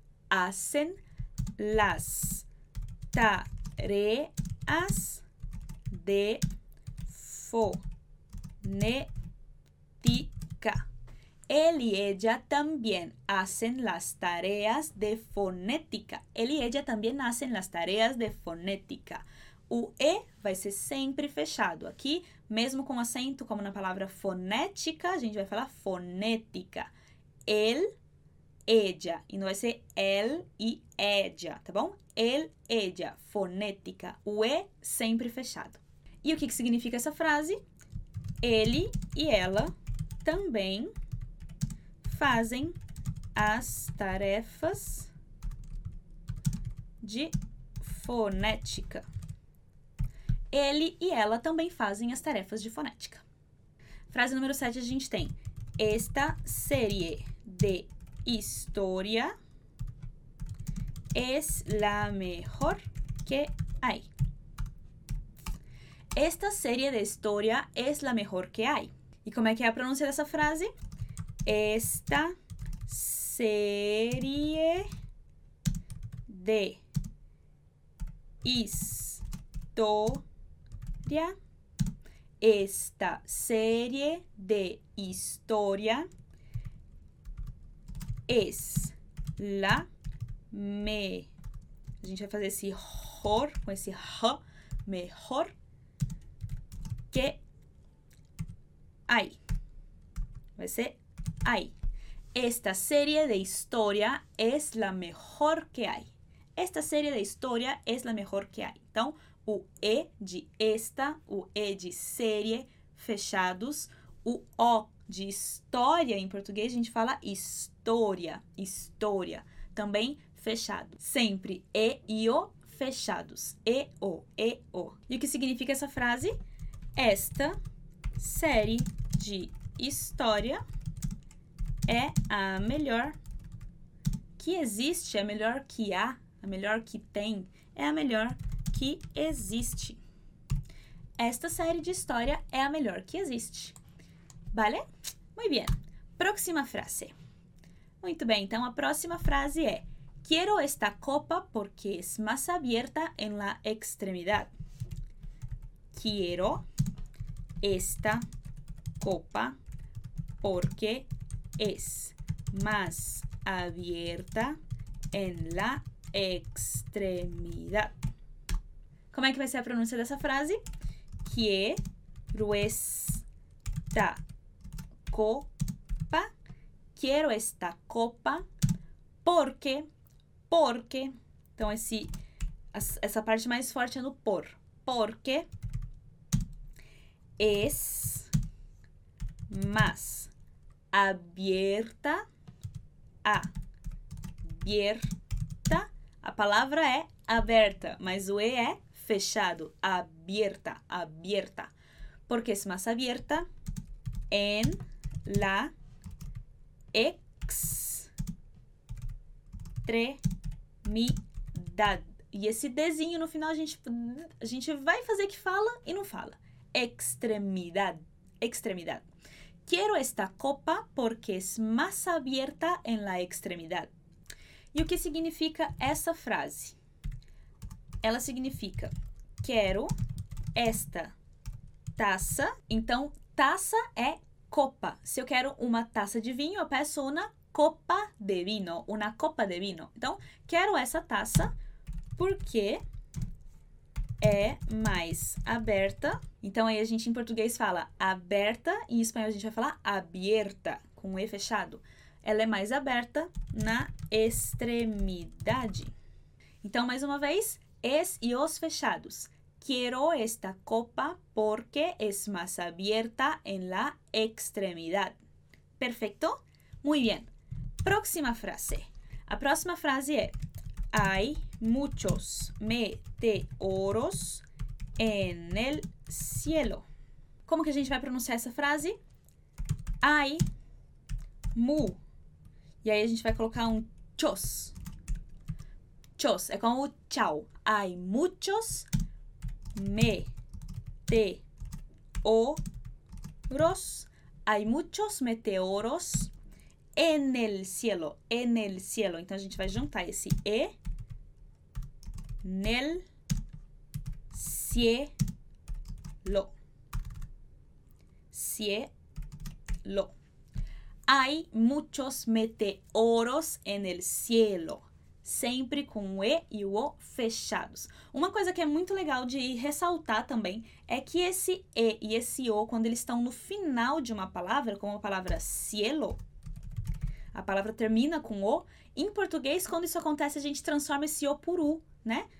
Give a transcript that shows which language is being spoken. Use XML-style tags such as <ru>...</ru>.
<es>Hacen las tareas de fonética. Él y ella también hacen las tareas de fonética. Él y ella también hacen las tareas de fonética.</es> <pt>O E vai ser sempre fechado aqui, mesmo com acento, como na palavra fonética, a gente vai falar fonética. El, ella. E não vai ser el e ella, tá bom? El, ella. Fonética. O E sempre fechado. E o que que significa essa frase? Ele e ela também fazem as tarefas de fonética. Ele e ela também fazem as tarefas de fonética. Frase número 7 a gente tem.</pt> <es>Esta serie de historia es la mejor que hay. Esta serie de historia es la mejor que hay.</es> <pt>E como é que é a pronúncia dessa frase?</pt> <es>Esta serie de historia. Esta serie de historia es la me.</es> <pt>A gente vai fazer esse hor com esse h,</pt> <es>mejor que hay.</es> <pt>Vai ser hay.</pt> <es>Esta serie de historia es la mejor que hay. Esta serie de historia es la mejor que hay.</es> <pt>Então, o E de esta, o E de serie, fechados. O O de história, em português a gente fala história, história. Também fechado. Sempre E e O fechados. E, O, E, O. E o que significa essa frase? Esta série de história é a melhor que existe, é a melhor que há, a melhor que tem, é a melhor que existe. Esta série de história é a melhor que existe.</pt> <es>Vale? Muy bien. Próxima frase.</es> <pt>Muito bem, então a próxima frase é:</pt> <es>Quiero esta copa porque es más abierta en la extremidad. Quiero esta copa porque es más abierta en la extremidad.</es> <pt>Como é que vai ser a pronúncia dessa frase?</pt> <es>Quiero esta copa. Quiero esta copa. Porque. Porque.</es> <pt>Então, essa parte mais forte é no por.</pt> <es>Porque. Es más abierta. Abierta.</es> <pt>A palavra é aberta, mas o E é fechado, abierta, abierta.</pt> <es>Porque es más abierta en la extremidad.</es> <pt>extremidade. E esse dezinho no final a gente vai fazer que fala e não fala. Extremidade. Extremidade.</pt> <es>Quiero esta copa porque es más abierta en la extremidad.</es> <pt>E o que significa essa frase? Ela significa: quero esta taça. Então, taça é copa. Se eu quero uma taça de vinho, eu peço</pt> <es>una copa de vino. Una copa de vino.</es> <pt>Então, quero essa taça porque é mais aberta. Então, aí a gente em português fala aberta. E em espanhol a gente vai falar abierta, com um E fechado. Ela é mais aberta na extremidade. Então, mais uma vez, es e os fechados.</pt> <es>Quiero esta copa porque es más abierta en la extremidad. Perfecto? Muy bien.</es> <pt>Próxima frase. A próxima frase é:</pt> <es>hay muchos meteoros en el cielo.</es> <pt>Como que a gente vai pronunciar essa frase?</pt> <es>Hay mu.</es> <pt>E aí a gente vai colocar um chos. Chos, é como o tchau.</pt> <es>Hay muchos meteoros. Hay muchos meteoros en el cielo. En el cielo.</es> <pt>Então a gente vai juntar esse E.</pt> <es>Nel cielo. Cielo. Hay muchos meteoros en el cielo.</es> <pt>Sempre com o E e o O fechados. Uma coisa que é muito legal de ressaltar também é que esse E e esse O, quando eles estão no final de uma palavra, como a palavra cielo, a palavra termina com O, em português, quando isso acontece, a gente transforma esse O por U, né?</pt>